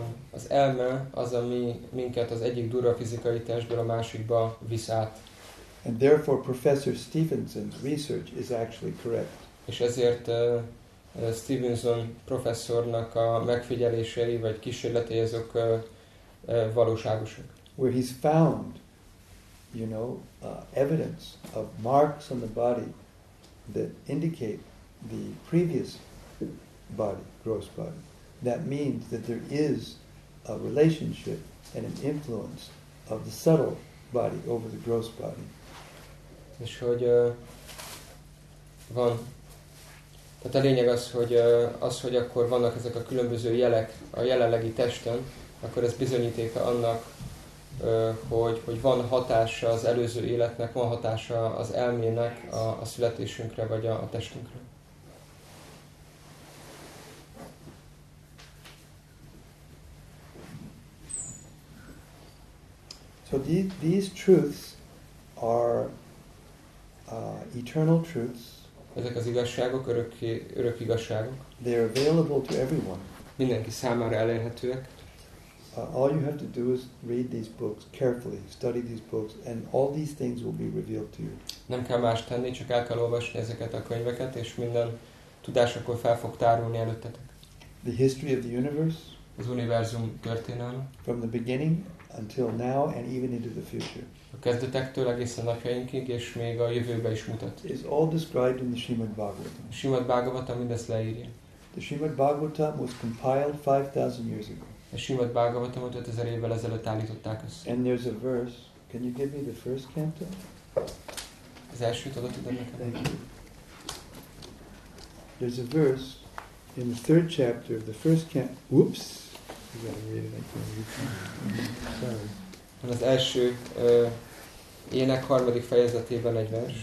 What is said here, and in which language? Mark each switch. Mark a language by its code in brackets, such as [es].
[hu] Az elme az, ami minket az egyik durva fizikai testből a másikba visz át. [en] And therefore Professor Stevenson's research is actually correct. [hu] És ezért Stevenson professzornak a megfigyelései vagy kísérletei azok valóságosak. [en] Where he's found, you know, evidence of marks on the body that indicate the previous body, gross body. That means that there is a relationship and an influence of the subtle body over the gross body. [hu] És hogy van. Tehát a lényeg az, hogy akkor vannak ezek a különböző jelek a jelenlegi testen, akkor ez bizonyítéka annak, hogy van hatása az előző életnek, van hatása az elmének a születésünkre, vagy a testünkre. [en] So these truths are eternal truths. [hu] Ezek az igazságok, örök igazságok. [en] They are available to everyone. [hu] Mindenki számára elérhetőek. [en] All you have to do is read these books carefully, study these books, and all these things will be revealed to you. [hu] Nem kell más tenni, csak el kell olvasni ezeket a könyveket, és minden tudás akkor fel fog tárulni előttetek. [en] The history of the universe. [hu] Az univerzum történelme. [en] From the beginning until now and even into the future. [hu] A kezdetektől egészen napjainkig, és még a jövőbe is mutat. [en] Is all described in the Srimad Bhagavatam. [hu] Srimad Bhagavatam mindezt leírja. [en] The Srimad Bhagavatam was compiled 5000 years ago. [hu] A Srimad Bhagavatamot 5000 évvel ezelőtt állították össze. [en] And there's a verse. Can you give me the first canto? [hu] Az elsőt oda tudod nekem? [en] Thank you. There's a verse in the third chapter of the first canto. Whoops. [hu] Van az első ének harmadik fejezetében egy vers.